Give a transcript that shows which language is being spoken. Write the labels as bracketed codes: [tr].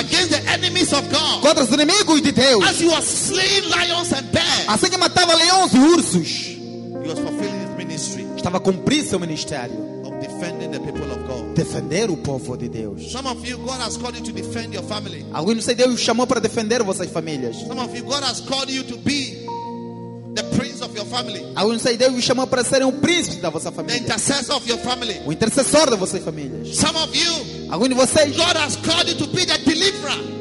[en] Against the enemies of God. [pt] Contra os inimigos de Deus. [en] As he was slaying lions and bears. [pt] Assim que matava leões e ursos. [en] He was fulfilling his ministry. [pt] Estava a cumprir seu ministério. [en] Of defending the people of God. [pt] Defender o povo de Deus. [en] Some of you, God has called you to defend your family. [pt] Alguns de vocês, Deus chamou para defender vossas famílias. [en] Some of you, God has called you to be the prince of your family. [pt] Alguns de vocês, Deus chamou para serem o príncipe da vossa família. [en] The intercessor of your family. [pt] O intercessor da vossa família. [en] Some of you, [pt] alguns de vocês, [en] God has called you to be the deliverer.